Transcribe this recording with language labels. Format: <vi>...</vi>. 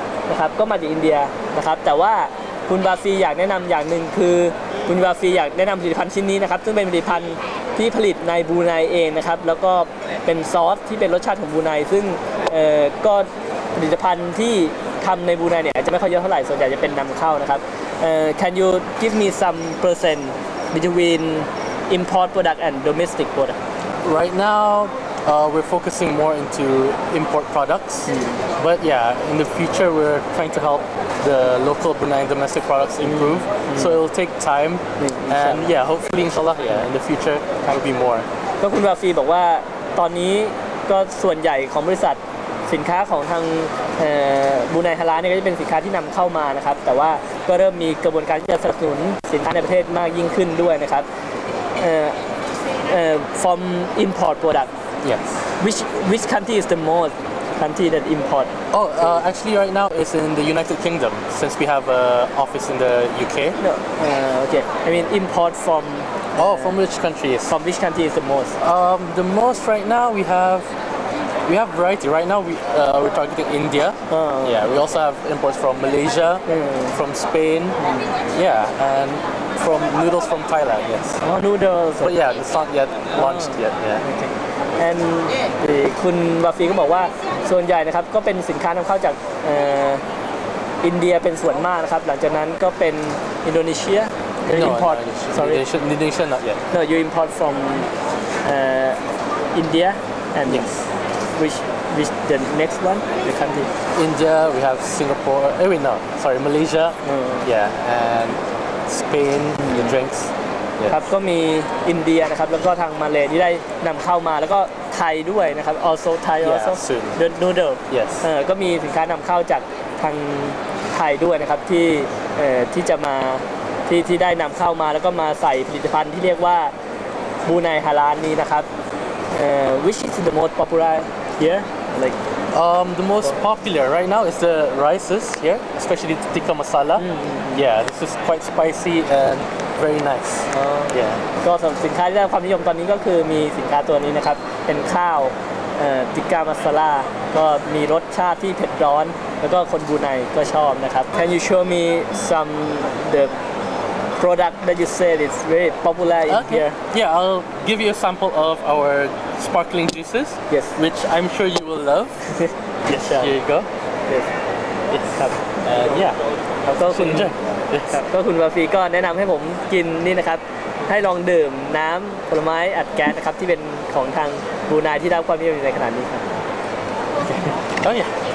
<th>นะครับก็มาจากอินเดียนะครับแต่ว่าคุณบาฟีอยากแนะนำอย่างหนึ่งคือคุณบาฟีอยากแนะนำผลิตภัณฑ์ชิ้นนี้นะครับซึ่งเป็นผลิตภัณฑ์ที่ผลิตในบรูไนเองนะครับแล้วก็เป็นซอสที่เป็นรสชาติของบรูไนซึ่งก็ผลิตภัณฑ์ที่ทำในบรูไนเนี่ยจะไม่ค่อยเยอะเท่าไหร่ส่วนใหญ่จะเป็นนำเข้านะครับ</th> <en>Can you give me some percent between import product and domestic product? Right now, we're focusing more into import products. But yeah, in the future, we're trying to help the local Brunei domestic products improve. So it'll take time. And yeah, hopefully, inshallah, yeah, in the future, it will be more.</en> <th>ก็คุณวาฟีบอกว่าตอนนี้ก็ส่วนใหญ่ของบริษัทสินค้าของทางบูไนฮาลาลเนี่ยก็จะเป็นสินค้าที่นำเข้ามานะครับแต่ว่าก็เริ่มมีกระบวนการที่จะสนับสนุนสินค้าในประเทศมากยิ่งขึ้นด้วยนะครับ</th> <en>from import product yes which country is the most country that import actually right now it's in the United Kingdom since we have an office in the UK okay I mean import from from which countries from which country is the most the most right now we have variety right now we're targeting India yeah we also have imports from Malaysia from Spain yeah and from noodles from Thailand yes oh, noodles but yeah it's not yet launched yet yeah okay.</en> <th>and คุณวาฟีก็บอกว่าส่วนใหญ่นะครับก็เป็นสินค้านำเข้าจากอินเดียเป็นส่วนมากนะครับหลังจากนั้นก็เป็นอินโดนีเซียimport</th> <en>sorry Indonesia not yet no you import from India and yes Which the next one? The country? India. We have Singapore. Oh wait, no. Sorry, Malaysia. Yeah, and Spain. The drinks.</en> <th>ครับก็มีอินเดียนะครับแล้วก็ทางมาเลย์ที่ได้นำเข้ามาแล้วก็ไทยด้วยนะครับ</th> <en>also Thai yeah, also soon. The noodle. Yes.</en> <th>ก็มีสินค้านำเข้าจากทางไทยด้วยนะครับที่ที่จะมาที่ได้นำเข้ามาแล้วก็มาใส่ผลิตภัณฑ์ที่เรียกว่าบูไนฮาลาลนี้นะครับ</th> <en>which is the most popular here? Like, the most popular right now is the rices here, especially the tikka masala. Yeah, this is quite spicy and very nice. Yeah.</en> <th>ก็สำหรับสินค้าที่ได้ความนิยมตอนนี้ก็คือมีสินค้าตัวนี้นะครับเป็นข้าวtikka masala ก็มีรสชาติที่เผ็ดร้อนแล้วก็คนบรูไนก็ชอบนะครับ</th> <en>Can you show me some the product that you said is very popular in here. Yeah, I'll give you a sample of our sparkling juices. Yes. Which I'm sure you will love. yes. Here you go. Yes. Yes. Yeah.</en> <th>ก็คุณก็คุณวาฟีก็แนะนำให้ผมกินนี่นะครับให้ลองดื่มน้ำผลไม้อัดแก๊สนะครับที่เป็นของทางบรูไนที่รับความนิยมในขนาดนี้ครับ</th> <en>Oh yeah.</en>